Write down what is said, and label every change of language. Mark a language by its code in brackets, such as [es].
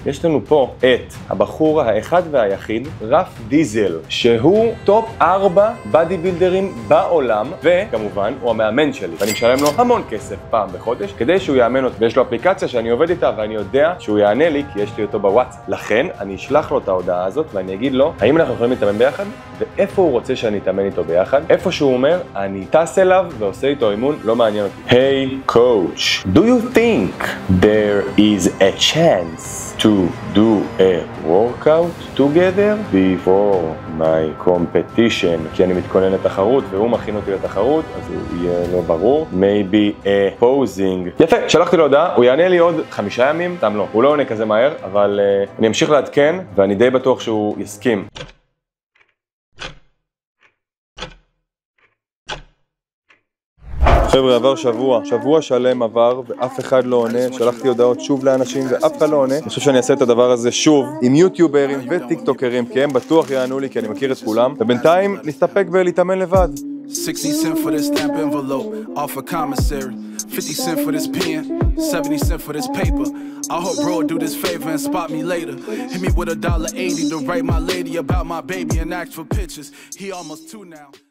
[he] יש לנו פה את הבחור האחד והיחיד, רף דיזל, שהוא טופ 4 בדי בילדרים בעולם, וכמובן, הוא המאמן שלי, ואני משלם לו המון כסף פעם בחודש. חודש, כדי שהוא יאמן אותי, ויש לו אפליקציה שאני עובד איתה ואני יודע שהוא יענה לי כי יש לי אותו בוואטס. לכן אני אשלח לו את ההודעה הזאת ואני אגיד לו האם אנחנו יכולים להתאמן ביחד ואיפה הוא רוצה שאני אתאמן איתו ביחד. איפה שהוא אומר אני טס אליו ועושה איתו אימון, לא מעניין אותי. [en] Hey coach, do you think there is a chance to do a workout together before my competition? [he] כי אני מתכונן לתחרות והוא מכין אותי לתחרות, אז הוא יהיה לא ברור. [en] Maybe a posing. [he] יפה, שלחתי לו הודעה, הוא יענה לי עוד 5 ימים, תם לא, הוא לא עונה כזה מהר, אבל אני אמשיך לעדכן ואני די בטוח שהוא יסכים. חבר'ה, עבר שבוע, שבוע שלם עבר, ואף אחד לא עונה. שלחתי הודעות שוב לאנשים, ואף אחד לא עונה. אני חושב שאני אעשה את הדבר הזה שוב, עם יוטיוברים וטיקטוקרים, כי הם בטוח יענו לי, כי אני מכיר את כולם. ובינתיים, נסתפק ולהתאמן לבד. [en] 60 cents for this stamp envelope, off a commissary. 50 cents for this pen, 70 cents for this paper. I hope bro do this favor and spot me later. Hit me with $1.80 to write my lady about my baby and ask for pictures. He almost two now.